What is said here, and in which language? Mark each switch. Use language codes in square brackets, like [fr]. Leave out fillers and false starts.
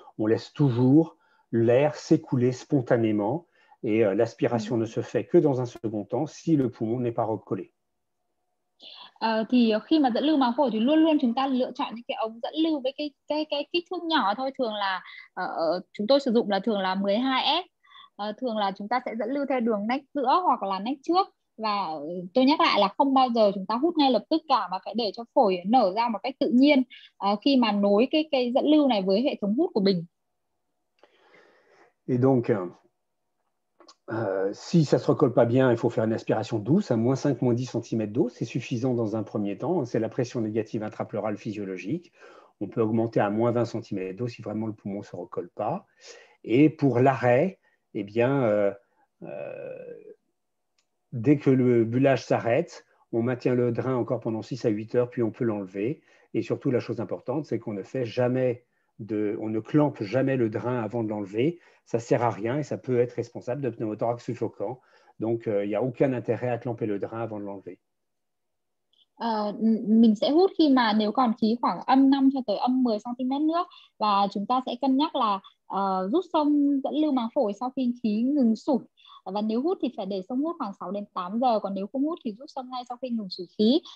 [fr] On laisse toujours l'air s'écouler spontanément et l'aspiration ne se fait que dans un second temps si le poumon n'est pas recollé. [vi] Thì khi mà dẫn lưu máng phổi thì luôn luôn chúng ta lựa chọn những cái ống dẫn lưu với cái kích thước nhỏ thôi, thường là chúng tôi sử dụng là thường là 12S. Thường là chúng ta sẽ dẫn lưu theo đường nách giữa hoặc là nách trước. Và tôi nhắc lại là không bao giờ chúng ta hút ngay lập tức cả mà phải để cho phổi nở ra một cách tự nhiên khi mà nối cái dẫn lưu này với hệ thống hút của bình. [fr] Et donc, si ça ne se recolle pas bien, il faut faire une aspiration douce, à moins 5, moins 10 cm d'eau. C'est suffisant dans un premier temps. C'est la pression négative intrapleurale physiologique. On peut augmenter à moins 20 cm d'eau si vraiment le poumon ne se recolle pas. Et pour l'arrêt, eh bien, dès que le bullage s'arrête, on maintient le drain encore pendant 6 à 8 heures, puis on peut l'enlever. Et surtout, la chose importante, c'est qu'on ne fait jamais on ne clampe jamais le drain avant de l'enlever. Ça ne sert à rien et ça peut être responsable de pneumothorax suffocant. Donc, il n'y a aucun intérêt à clamper le drain avant de l'enlever. [vi] Mình sẽ hút khi mà nếu còn khí khoảng âm 5 cho tới âm 10 cm nữa, và chúng ta sẽ cân nhắc là rút xong dẫn lưu máng phổi sau khi khí ngừng sủi, và nếu hút thì phải để xong hút khoảng 6 đến 8 giờ, còn nếu không hút thì rút xong ngay sau khi ngừng sủi khí.